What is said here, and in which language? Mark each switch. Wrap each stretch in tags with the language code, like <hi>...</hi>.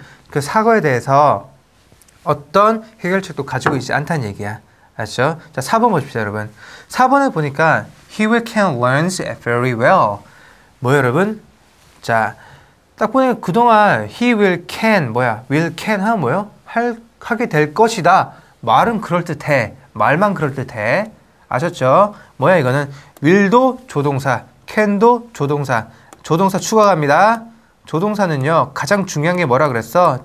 <ko>그 사고에 대해서 어떤 해결책도 가지고 있지 않다는 얘기야. 아시죠? 자, 4번 보십시오, 여러분. 4번에 보니까</ko> <en>he can learns very well.</en> <ko>뭐 여러분? 자, 딱 보니까 그동안</ko> <en>he will can</en> <ko>뭐야?</ko> <en>will can</en> <ko>하면 뭐요? 하게 될 것이다. 말은 그럴듯해. 말만 그럴듯해. 아셨죠? 뭐야, 이거는 will도 조동사, can도 조동사. 조동사 추가합니다. 조동사는요, 가장 중요한 게 뭐라 그랬어?</ko>